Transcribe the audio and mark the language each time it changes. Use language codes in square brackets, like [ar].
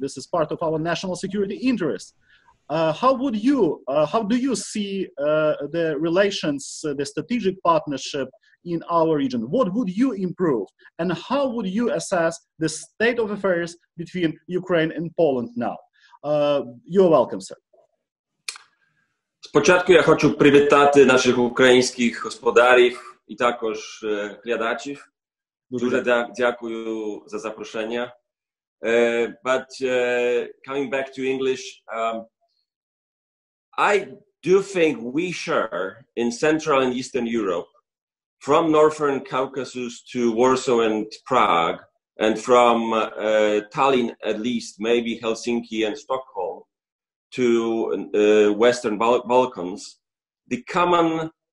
[en] This is part of our national security interest. How do you see the relations, the strategic partnership in our region? What would you improve? And how would you assess the state of affairs between Ukraine and Poland now? You're welcome, sir. [uk] Спочатку я хочу привітати наших українських господарів і також глядачів. Дуже дякую за запрошення. [en] Coming back to English, I do think we share in Central and Eastern Europe, from Northern Caucasus to Warsaw and Prague, and from Tallinn at least, maybe Helsinki and Stockholm, to Western Balkans, the common